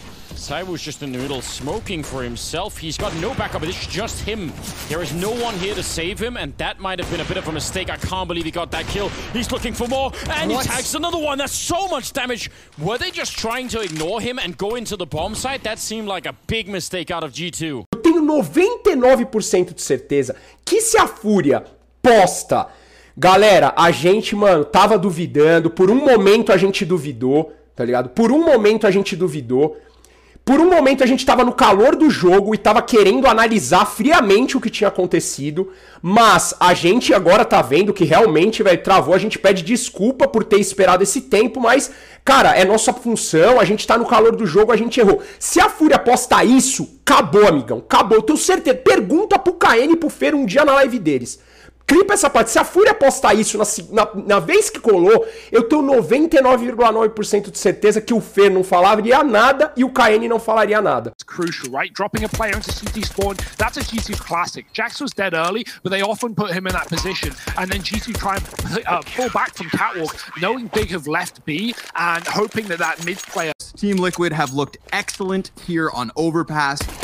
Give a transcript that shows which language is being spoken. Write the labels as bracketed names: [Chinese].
[English] Zywoo's just in the middle, smoking for himself. He's got no backup, it's just him. There is no one here to save him, and that might have been a bit of a mistake. I can't believe he got that kill. He's looking for more, and what? He tags another one. That's so much damage. Were they just trying to ignore him and go into the bomb site? That seemed like a big mistake out of G2. [Portuguese] Eu tenho 99% de certeza que se a Fúria posta... Galera, a gente, mano, tava duvidando. Por um momento a gente duvidou, tá ligado? Por um momento a gente duvidou. Por um momento a gente tava no calor do jogo e tava querendo analisar friamente o que tinha acontecido, mas a gente agora tá vendo que realmente, velho, travou, a gente pede desculpa por ter esperado esse tempo, mas, cara, é nossa função, a gente tá no calor do jogo, a gente errou. Se a Fúria posta isso, acabou, amigão, acabou, tenho certeza. Pergunta pro KN e pro Fer um dia na live deles. Clipa essa parte, se a Fúria postar isso na vez que colou, eu tenho 99,9% de certeza que o Fer não falaria nada e o KN não falaria nada. [English] It's crucial, right? Dropping a player into CT spawn, that's a G2 classic. Jax was dead early, but they often put him in that position. And then G2 try and pull back from catwalk, knowing Big have left B and hoping that that mid player... Team Liquid have looked excellent here on Overpass.